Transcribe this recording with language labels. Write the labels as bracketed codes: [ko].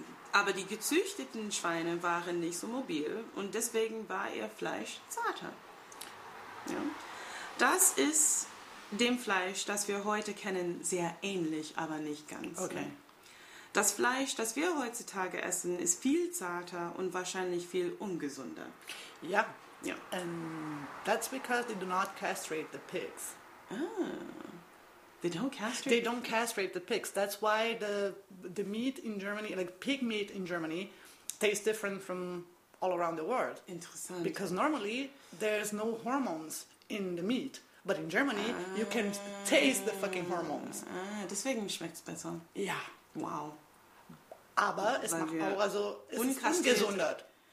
[de] Aber die gezüchteten Schweine waren nicht so mobil und deswegen war ihr Fleisch zarter. Ja. Das ist dem Fleisch, das wir heute kennen, sehr ähnlich, aber nicht ganz. Okay. Ne? Das Fleisch, das wir heutzutage essen, ist viel zarter und wahrscheinlich viel ungesünder. Ja. Ja. [en] That's because they do not castrate the pigs. Ah. They don't castrate? They don't castrate the pigs. That's why the meat in Germany, like pig meat in Germany, tastes different from all around the world. [de] Interessant. [en] Because normally there's no hormones in the meat. But in Germany, you can taste the fucking hormones. [de] Deswegen schmeckt es besser. Ja. Wow. Aber es weil macht auch, also, es ist ungesundert.